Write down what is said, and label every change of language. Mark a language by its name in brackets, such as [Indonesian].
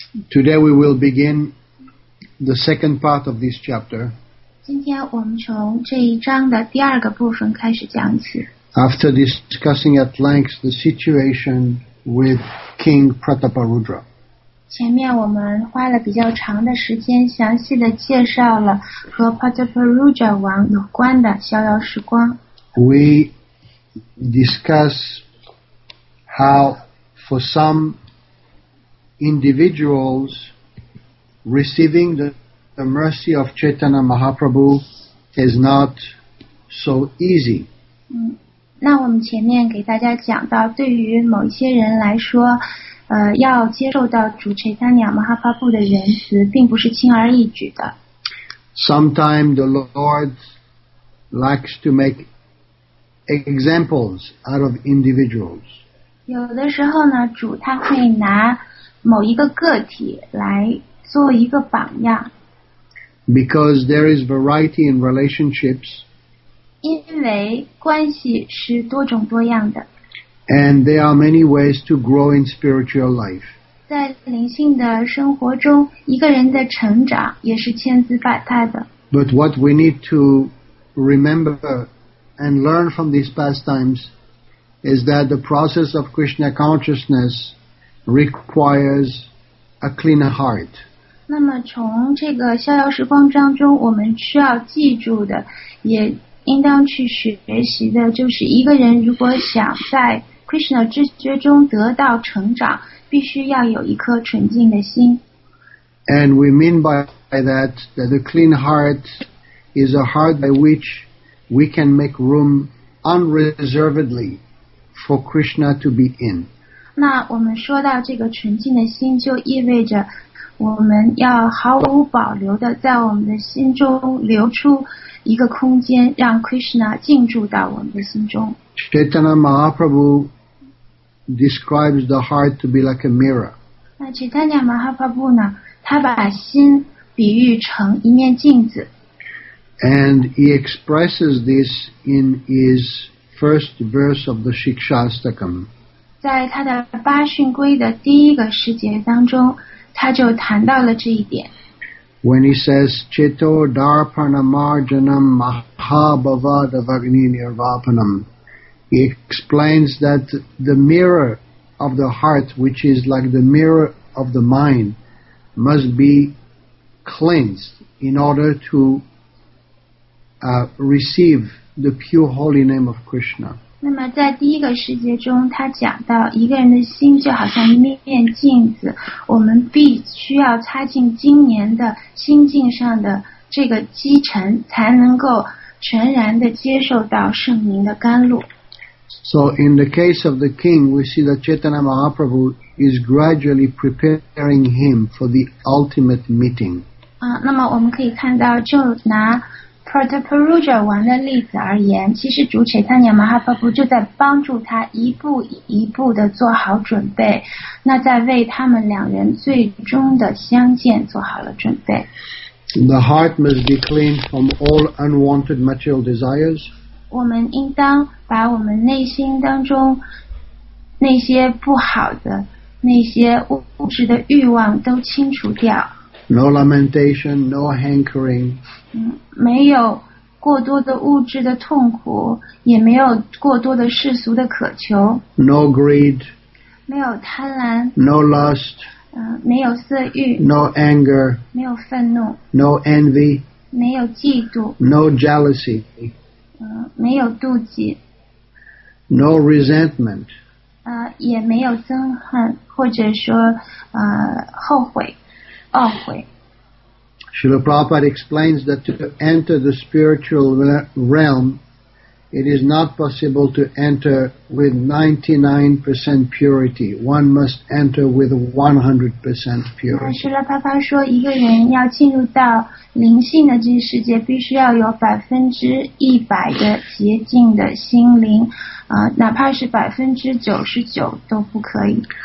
[English] Today we will begin the second part of this chapter. [Chinese] 今天我们从这一章的第二个部分开始讲起 [English] After discussing at length the situation with King Pratapa Rudra. [Chinese] 前面我们花了比较长的时间详细的介绍了和 Pataparuja 王有关的逍遥时光。 [English] We discuss how for some individuals receiving the mercy of Chaitanya Mahaprabhu is not so easy. [Chinese] 那我们前面给大家讲到对于某一些人来说要接受到主 Chaitanya Mahaprabhu 的仁慈并不是轻而易举的。 [English] Sometimes the Lord likes to make examples out of individuals. [Chinese] 有的时候呢主他会拿某一个个体来做一个榜样。 [English] Because there is variety in relationships. [Chinese] 因为关系是多种多样的。 [English] And there are many ways to grow in spiritual life. [Chinese] 在灵性的生活中，一个人的成长也是千姿百态的。 [English] But what we need to remember and learn from these pastimes is that the process of Krishna consciousness requires a clean heart. [Chinese] 那么从这个逍遥时光当中，我们需要记住的，也应当去学习的，就是一个人如果想在Krishna 知觉中得到成长必须要有一颗纯净的心 [English] And we mean by that that the clean heart is a heart by which we can make room unreservedly for Krishna to be in [Chinese] 那我们说到这个纯净的心就意味着我们要毫无保留地在我们的心中留出一个空间让 Krishna 进驻到我们的心中 [English] Chaitanya Mahaprabhu describes the heart to be like a mirror. [Chinese] 那 Chaitanya Mahaprabhu 呢？他把心比喻成一面镜子。 [English] And he expresses this in his first verse of the Shikshastakam. [Chinese] 在他的八训规的第一个十节当中，他就谈到了这一点。 [English] When he says, [Sanskrit] "Chito darpana marjanam mahabhava devagni nirvapanam." [English] He explains that the mirror of the heart, which is like the mirror of the mind, must be cleansed in order to receive the pure holy name of Krishna. [Chinese] 那么在第一个世界中他讲到一个人的心就好像一面镜子我们必须要擦净今年的心境上的这个积尘才能够全然的接受到圣灵的甘露。 [English] So in the case of the king, we see that Chaitanya Mahaprabhu is gradually preparing him for the ultimate meeting. [Chinese] 那么我们可以看到，就拿 Pratapuruja 王的例子而言，其实主 Chaitanya Mahaprabhu 就在帮助他一步一步的做好准备，那在为他们两人最终的相见做好了准备。 [English] The heart must be clean from all unwanted material desires. [Chinese] 我们应当把我们内心当中那些不好的、那些物质的欲望都清除掉。 [English] No lamentation, no hankering. [Chinese] 没有过多的物质的痛苦，也没有过多的世俗的渴求。 [English] No greed. [Chinese] 没有贪婪。 [English] No lust. [Chinese] 没有色欲。 [English] No anger. [Chinese] 没有愤怒。 [English] No envy. [Chinese] 没有嫉妒。 [English] No jealousy. [Chinese] 没有妒忌。 [English] No resentment. [Chinese] 也没有憎恨，或者说后悔。 [English] Srila Prabhupada explains that to enter the spiritual realm, it is not possible to enter with 99% purity. One must enter with 100% purity. [Chinese] Srila Prabhupada 说，一个人要进入到灵性的这个世界，必须要有100%的洁净的心灵，哪怕是99%都不可以。